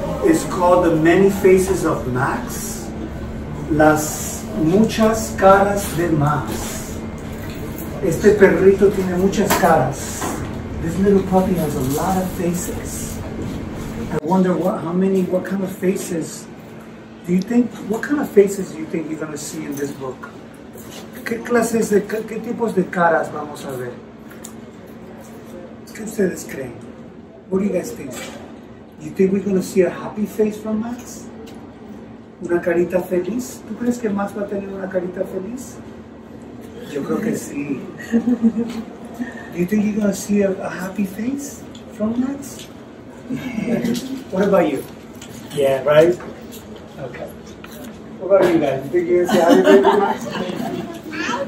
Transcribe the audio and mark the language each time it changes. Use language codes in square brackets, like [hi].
[en] It's called The Many Faces of Max, Las Muchas Caras de Max. [es] Este perrito tiene muchas caras. [en] This little puppy has a lot of faces. I wonder what kind of faces do you think, what kind of faces do you think you're going to see in this book? [es] ¿Qué clases de, qué tipos de caras vamos a ver? ¿Qué ustedes creen? [en] What do you guys think? You think we're going to see a happy face from Max? [es] Una carita feliz? ¿Tú crees que Max va a tener una carita feliz? Yo creo que sí. [en] You think you're going to see a happy face from Max? What about you? Yeah, right? Okay. What about you guys? You think you're going to see a happy face from Max?